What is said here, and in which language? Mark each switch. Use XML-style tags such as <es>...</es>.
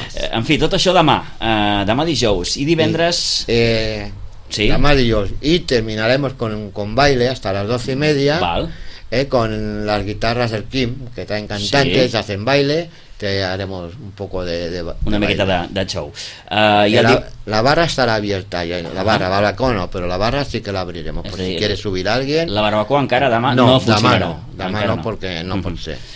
<ca>En fi, tot això demà, demà dijous i divendres... Sí. Demà dijous i</ca> <es>terminaremos con baile hasta las 12:30.</es> <ca>Val.</ca> <es>Con las guitarras del Kim, que traen cantantes, sí. Hacen baile, te haremos un poco de</es> <ca>una miqueta de show.</ca> <es>La barra estará abierta, ya, la barra, barbacoa no, pero la barra sí que la abriremos, por si quiere subir alguien.</es> <ca>La barbacoa encara demà no funcionarà. Demà no, porque no pot ser.</ca>